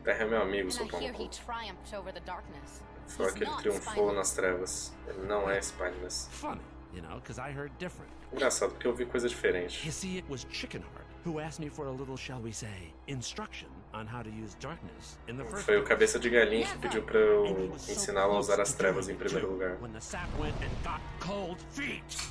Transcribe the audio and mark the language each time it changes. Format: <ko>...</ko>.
<pt>Terra é meu amigo, seu pão.</pt> <en>I hear he triumphed over the darkness.</en> <pt>Falou que ele triunfou nas trevas. Ele não é spineless.</pt> <en>Funny, you know, because I heard different.</en> <pt>Engraçado, porque eu ouvi coisa diferente.</pt> <en>You see, it was chicken heart who asked me for a little, shall we say, instruction on how to use darkness in the first.</en> <pt>Foi o cabeça de galinha que pediu pra eu ensiná-lo a usar as trevas em primeiro lugar.</pt> <en>When the sap went and got cold feet.</en>